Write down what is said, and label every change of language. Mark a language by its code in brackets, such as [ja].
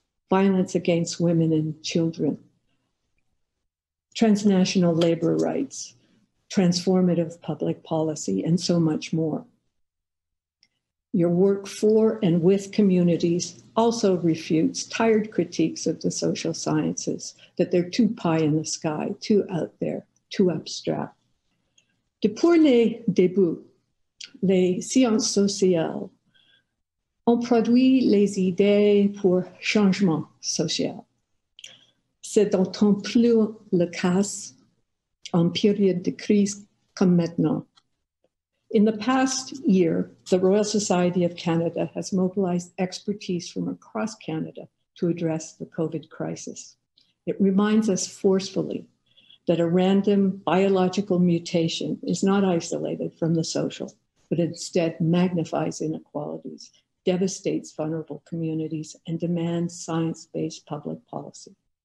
[en] violence against women and children, transnational labor rights, transformative public policy, and so much more. Your work for and with communities also refutes tired critiques of the social sciences, that they're too pie in the sky, too out there, too abstract. [fr] Depuis les débuts, les sciences sociales ont produit les idées pour changement social. C'est d'autant plus le cas en période de crise comme maintenant. [en] In the past year, the Royal Society of Canada has mobilized expertise from across Canada to address the COVID crisis. It reminds us forcefully that a random biological mutation is not isolated from the social, but instead magnifies inequalities, devastates vulnerable communities, and demands science-based public policy.